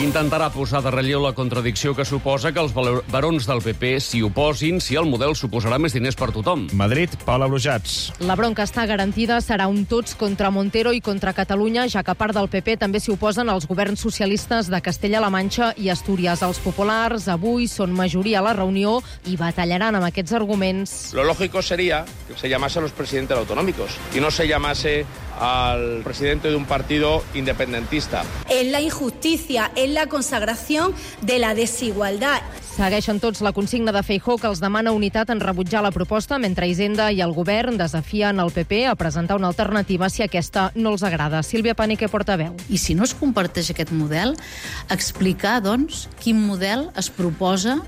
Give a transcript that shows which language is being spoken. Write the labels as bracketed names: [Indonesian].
[Catalan] Intentarà posar de relleu la contradicció que suposa que els barons del PP s'hi oposin si el model suposarà més diners per tothom. Madrid, Paula Brujats. La bronca està garantida, serà un tots contra Montero i contra Catalunya, ja que part del PP també s'hi oposen els governs socialistes de Castella-La Manxa i Astúries. Els populars avui són majoritats a la reunió i batallaran amb aquests arguments. [Spanish] Lo lógico sería que se llamase a los presidentes autonómicos y no se llamase al presidente de un partido independentista. Es la injusticia, es la consagración de la desigualdad. [Catalan] Segueixen tots la consigna de Feijóo, que els demana unitat en rebutjar la proposta, mentre Hisenda i el govern desafien el PP a presentar una alternativa si aquesta no els agrada. Sílvia Paniqué, portaveu. I si no es comparteix aquest model, explicar, doncs, quin model es proposa.